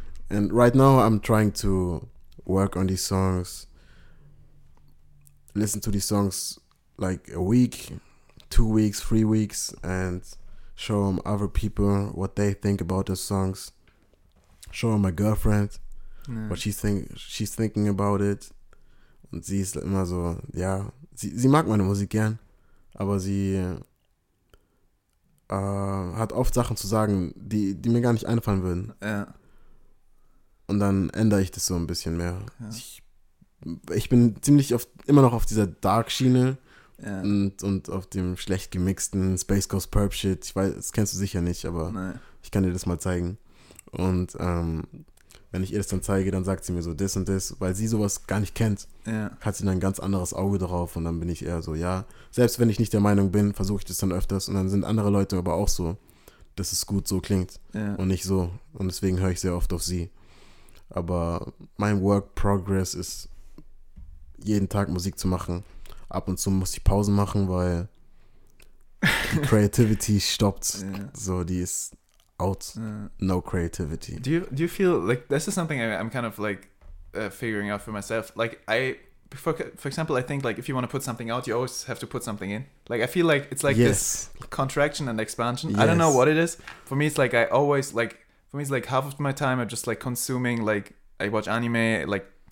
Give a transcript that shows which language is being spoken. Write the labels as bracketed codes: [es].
[en] And right now I'm trying to work on these songs, listen to these songs like a week, 2 weeks, 3 weeks, and show them other people what they think about the songs. Show them my girlfriend what she's thinking about it. [de] Und sie ist immer so, ja, sie mag meine Musik gern, aber sie hat oft Sachen zu sagen, die mir gar nicht einfallen würden. Ja. Und dann ändere ich das so ein bisschen mehr. Ja. Ich bin ziemlich oft immer noch auf dieser Dark-Schiene ja und auf dem schlecht gemixten Space Ghost Perp-Shit. Ich weiß, das kennst du sicher nicht, aber Nein. ich kann dir das mal zeigen. Und wenn ich ihr das dann zeige, dann sagt sie mir so das und das, weil sie sowas gar nicht kennt. Ja. Hat sie dann ein ganz anderes Auge drauf und dann bin ich eher so, ja, selbst wenn ich nicht der Meinung bin, versuche ich das dann öfters und dann sind andere Leute aber auch so, dass es gut so klingt ja. und nicht so. Und deswegen höre ich sehr oft auf sie. Aber mein Work Progress ist, jeden Tag Musik zu machen. Ab und zu muss ich Pausen machen, weil die Creativity stoppt. [en] Yeah. [de] So, die ist out. [en] Yeah. No Creativity. Do you feel like this is something I'm kind of like figuring out for myself? Like I, for example, I think like if you want to put something out, you always have to put something in. Like I feel like it's like yes. this contraction and expansion. Yes. I don't know what it is. For me, it's like I always like, for me, it's like half of my time I'm just like consuming, like I watch anime, like.